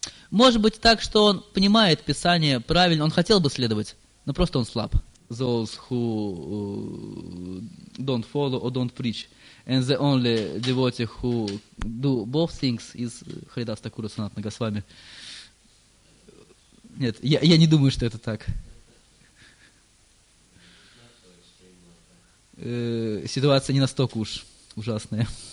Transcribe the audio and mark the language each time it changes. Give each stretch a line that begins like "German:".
Russian: Может быть так, что он понимает Писание правильно, он хотел бы следовать, но просто он слаб.
English: Those who don't follow or don't preach, and the only devotee who do both things is Haridas Thakura Sanatana Goswami.
Russian: Нет, я не думаю, что это так. Ситуация не настолько уж ужасная.